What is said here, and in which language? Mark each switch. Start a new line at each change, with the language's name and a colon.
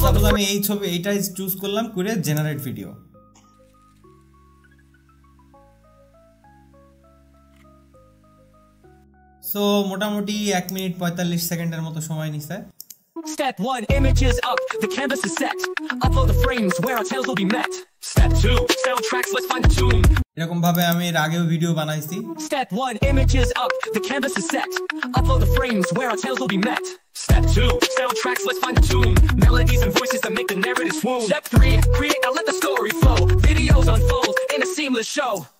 Bangla: আমি এই ছবি এইটাই চুজ করলাম, করে জেনারেট ভিডিও. সো মোটামুটি 1 মিনিট 45 সেকেন্ডের মতো সময় নিছে.
English: Step 1, images up, the canvas is set. Upload the frames where our tails will be met. Step 2, sound tracks, let's find a tune.
Bangla: এরকম ভাবে আমি এর আগেও ভিডিও বানাইছি.
English: Step 1, images up, the canvas is set. Upload the frames where our tails will be met. Step 2, sound tracks, let's find a tune. Melodies and voices that make the narrative swoon. Step 3, create and let the story flow. Videos unfold in a seamless show.